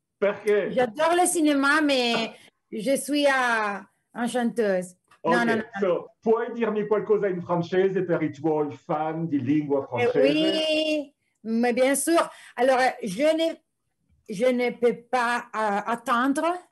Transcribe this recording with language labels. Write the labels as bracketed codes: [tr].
[fr] J'adore le cinéma, mais je suis enchanteuse. [it] No, no, no, Ok, so, puoi dirmi qualcosa in francese per i tuoi fan di lingua no. francese? [fr] Oui, mais bien sûr. Alors, je ne peux pas attendre